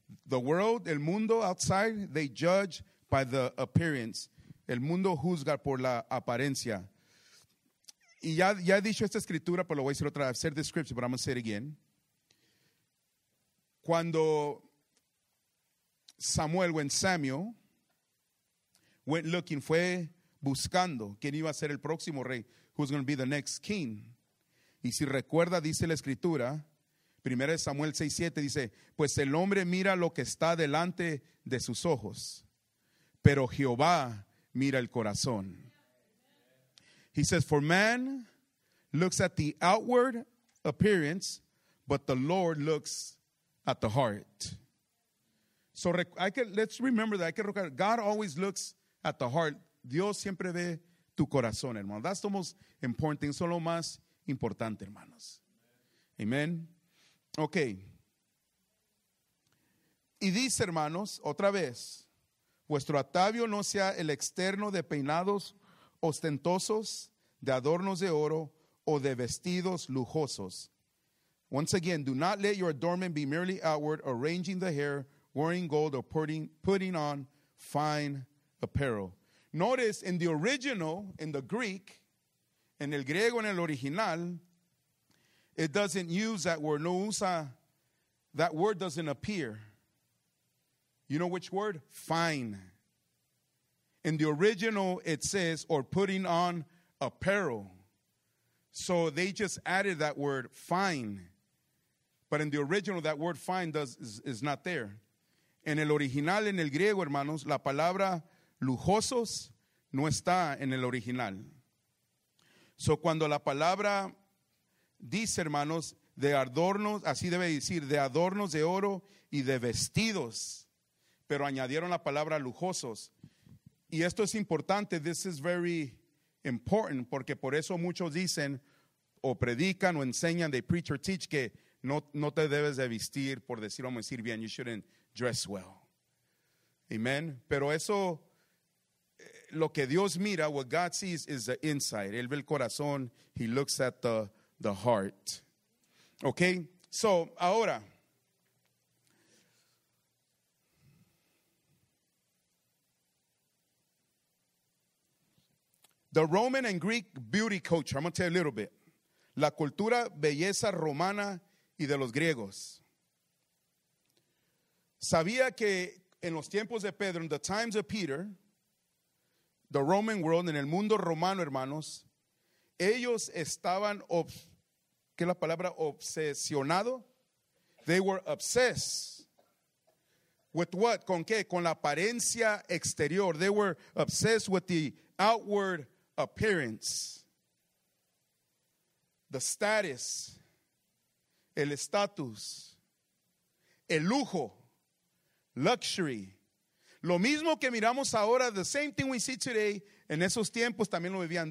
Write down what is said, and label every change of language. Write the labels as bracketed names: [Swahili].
[English] The world, [Spanish] el mundo [English] outside, they judge by the appearance. [Spanish] El mundo juzga por la apariencia. Y ya he dicho esta escritura, pero lo voy a decir otra vez. [English] Said the scripture, but I'm going to say it again. [Spanish] Cuando Samuel, [English] when Samuel went looking, [Spanish] fue buscando quién iba a ser el próximo rey, [English] who's going to be the next king. [Spanish] Y si recuerda, dice la escritura, 1 Samuel 6:7 dice, pues el hombre mira lo que está delante de sus ojos, pero Jehová mira el corazón. [English] He says, for man looks at the outward appearance, but the Lord looks at the heart. So let's remember that. God always looks at the heart. [Spanish] Dios siempre ve tu corazón, hermano. [English] That's the most important thing. [Spanish] Solo más importante, hermanos. Amen. Ok. Y dice, hermanos, otra vez, vuestro atavio no sea el externo de peinados ostentosos, de adornos de oro o de vestidos lujosos. [English] Once again, do not let your adornment be merely outward, arranging the hair, wearing gold, or putting on fine apparel. Notice in the original, in the Greek, [Spanish] en el griego, en el original, [English] it doesn't use that word. [Spanish] No usa, [English] that word doesn't appear. You know which word? Fine. In the original, it says, or putting on apparel. So they just added that word, fine. But in the original, that word fine is not there. [Spanish] En el original, en el griego, hermanos, la palabra lujosos no está en el original. So cuando la palabra dice, hermanos, de adornos, así debe decir, de adornos de oro y de vestidos. Pero añadieron la palabra lujosos. Y esto es importante, [English] this is very important, [Spanish] porque por eso muchos dicen, o predican, o enseñan, [English] they preach or teach, [Spanish] que no te debes de vestir, por decir, vamos a decir bien, [English] you shouldn't dress well. [Spanish] Amen. Pero eso, lo que Dios mira, [English] what God sees is the inside. [Spanish] Él ve el corazón, [English] he looks at the heart. Okay, so ahora, the Roman and Greek beauty culture, I'm going to tell you a little bit. [Spanish] La cultura belleza romana y de los griegos. Sabía que en los tiempos de Pedro, [English] in the times of Peter, the Roman world, [Spanish] en el mundo romano, hermanos, ellos estaban, ¿qué es la palabra? Obsesionado. [English] They were obsessed. ¿With what? [Spanish] ¿Con qué? Con la apariencia exterior. [English] They were obsessed with the outward appearance, the status, [Spanish] el estatus, el lujo, [English] luxury. [Spanish] Lo mismo que miramos ahora, [English] the same thing we see today, [Spanish] en esos tiempos también lo vivían.